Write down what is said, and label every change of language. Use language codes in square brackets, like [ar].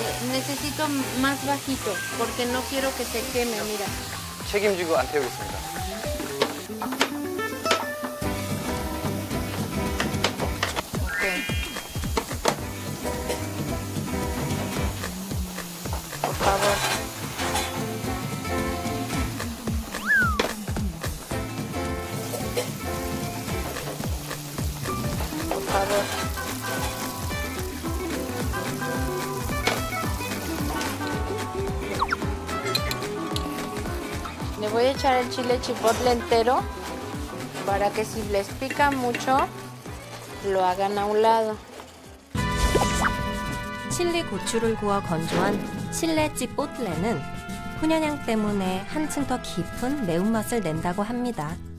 [es] Necesito más bajito porque no quiero que se queme, mira. [ko] 책임지고 안 태우겠습니다. [es] Echar el chile chipotle entero para que si les pica mucho lo hagan a un lado. [ko] Chile 고추를 구워 건조한 칠레 찌뽀틀레는 훈연향 때문에 한층 더 깊은 매운맛을 낸다고 합니다.